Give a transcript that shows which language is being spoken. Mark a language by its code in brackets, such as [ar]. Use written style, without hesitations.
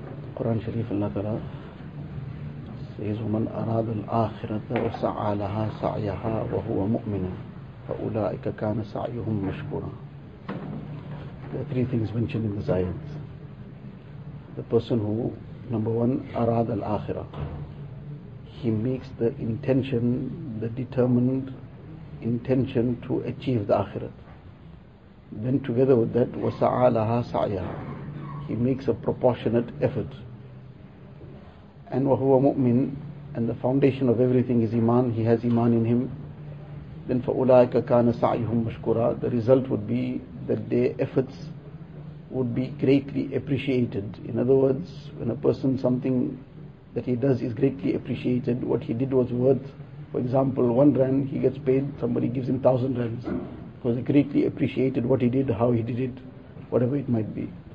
[ar] القرآن الشريف الله تعالى [en] says [ar] من أراد الآخرة وسعى لها سعيها وهو مؤمن فأولئك كان سعيهم مشكورا. [en] There are three things mentioned in the Zayat. The person who, number one, [ar] أراد الآخرة. [en] He makes the intention, the determined intention to achieve the Akhirat. Then together with that, [ar] وَسَعَى لَهَا سَعْيَهَا. [en] He makes a proportionate effort. And [ar] وَهُوَ مُؤْمِنٌ. [en] And the foundation of everything is Iman. He has Iman in him. Then [ar] فَأُولَٰئِكَ كَانَ سَعْيُهُمْ مَشْكُرًا. [en] The result would be that their efforts would be greatly appreciated. In other words, when a person, something that he does is greatly appreciated, what he did was worth, for example, 1 rand, he gets paid, somebody gives him 1,000 rands. Because he greatly appreciated what he did, how he did it, whatever it might be.